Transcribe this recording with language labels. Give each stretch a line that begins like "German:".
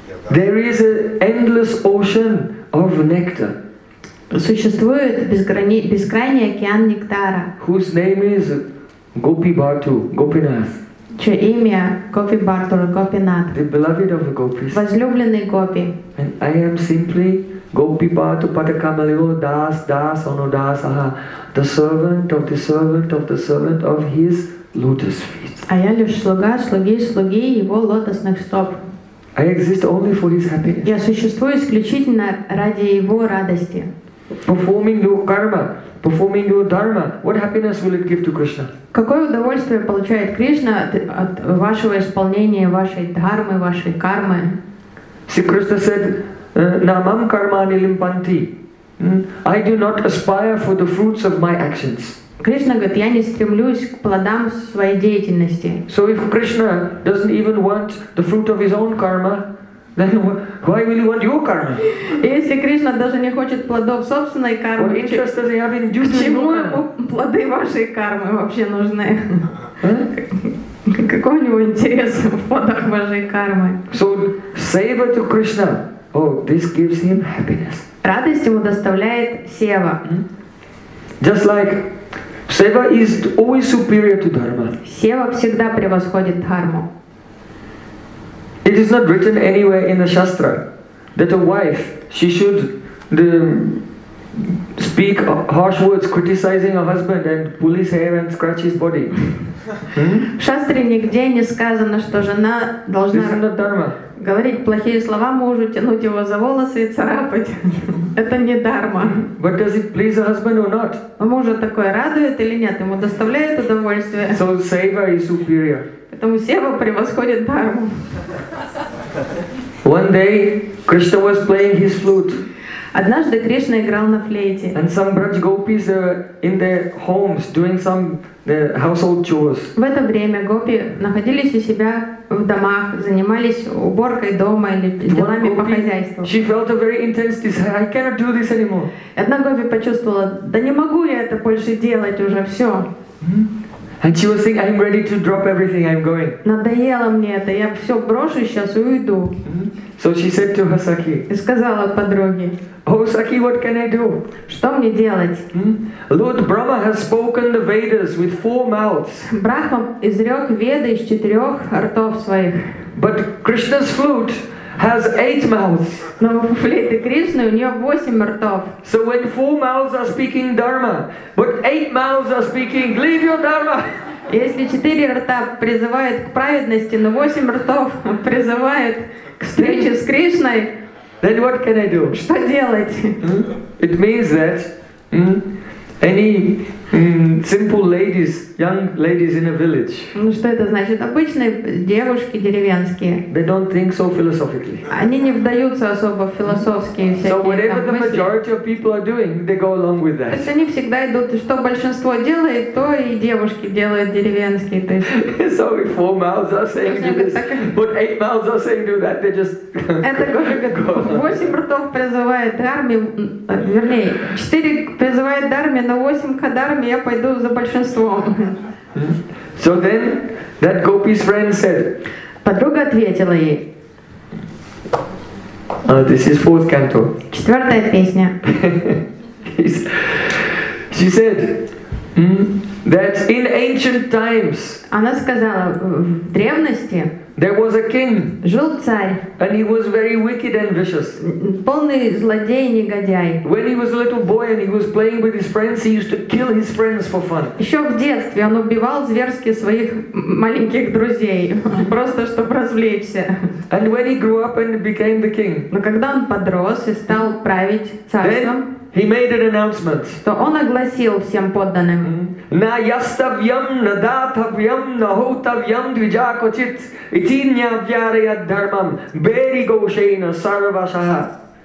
English: There is an endless ocean of nectar.
Russian: Существует бескрайний океан нектара.
English: Whose name is Gopi Bhatu, Gopinath.
Russian: чье имя Гопи Бартур, Гопинат, возлюбленный Гопи.
English: And I am simply Gopi Bhattu Patakamalivo Das Das Onodasaha, the servant of the servant of the servant of his lotus feet.
Russian: А я лишь слуга, слуги, слуги его лотосных стоп.
English: I exist only for his happiness.
Russian: Я существую исключительно ради его радости.
English: Performing your karma, performing your dharma, what happiness will it give to Krishna?
Russian: Какое удовольствие получает Кришна от вашего исполнения вашей дхармы, вашей кармы?
English: Sri Krishna said,
Sanskrit: Namam karmani limpanti.
English: I do not aspire for the fruits of my actions.
Russian: Кришна говорит, я не стремлюсь к плодам своей деятельности.
English: So if Krishna doesn't even want the fruit of his own karma, then why will he want your karma?
Russian: Если Кришна даже не хочет плодов собственной кармы,
English: what interest does he have in due to your karma?
Russian: К чему плоды вашей кармы вообще нужны? Какой у него интерес в плодах вашей кармы?
English: So seva to Krishna. Oh, this gives him happiness.
Russian: Радость ему доставляет сева.
English: Just like seva is always superior to dharma.
Russian: Сева всегда превосходит дхарму.
English: It is not written anywhere in the shastra that a wife she should speak harsh words criticizing her husband and pull his hair and scratch his body.
Russian: В шастре нигде не сказано, что жена должна говорить плохие слова мужу, тянуть его за волосы и царапать. Это не дхарма.
English: But does it please a husband or not?
Russian: Мужа такое радует или нет? Ему доставляет удовольствие?
English: So seva is superior.
Russian: Поэтому сева превосходит дхарму.
English: One day Krishna was playing his flute.
Russian: Однажды Кришна играл на флейте.
English: And some braj gopis in their homes doing some household chores.
Russian: В это время гопи находились у себя в домах, занимались уборкой дома или делами по хозяйству.
English: She felt a very intense desire. I cannot do this anymore.
Russian: Одна гопи почувствовала: да не могу я это больше делать уже все.
English: And she was saying, I'm ready to drop everything. I'm going.
Russian: Надоело мне это. Я все брошу сейчас и уйду.
English: So she said to her Sakhi.
Russian: И сказала подруге.
English: Oh, Sakhi, what can I do?
Russian: Что мне делать?
English: Lord Brahma has spoken the Vedas with four mouths.
Russian: Брахма изрек Веды из четырех ртов своих.
English: But Krishna's flute has eight mouths.
Russian: Но у флейты Кришны у нее восемь ртов.
English: So when four mouths are speaking dharma, but eight mouths are speaking leave your dharma.
Russian: Если четыре рта призывают к праведности, но восемь ртов призывают к встрече с Кришной,
English: then what can I do?
Russian: Что делать?
English: It means that any simple ladies, young ladies in a village.
Russian: Ну что это значит? Обычные девушки деревенские.
English: They don't think so philosophically.
Russian: Они не вдаются особо в философские всякие мысли.
English: So whatever the majority of people are doing, they go along with that.
Russian: То есть они всегда идут, что большинство делает, то и девушки делают деревенские. То есть.
English: So if four mouths are saying do this, but eight mouths are saying do that, they just.
Russian: Это говорит, восемь ртов призывает дхарме, вернее, четыре призывает дхарме, но восемь кадхарме, я пойду за большинством.
English: So then, that gopi's friend said.
Russian: Подруга ответила ей.
English: This is fourth canto.
Russian: Четвертая песня.
English: She said that in ancient times.
Russian: Она сказала, в древности.
English: There was a king.
Russian: Жил царь.
English: And he was very wicked and vicious.
Russian: Полный злодей и негодяй.
English: When he was a little boy and he was playing with his friends, he used to kill his friends for fun.
Russian: Еще в детстве он убивал зверски своих маленьких друзей, просто чтобы развлечься.
English: And when he grew up and became the king.
Russian: Но когда он подрос и стал править царством,
English: he made an announcement.
Russian: То он огласил всем подданным.
Sanskrit: На ястабьям, на датабьям, на хотабьям, движакочит, итинья вярия дхармам, беригошейна, сарвашая.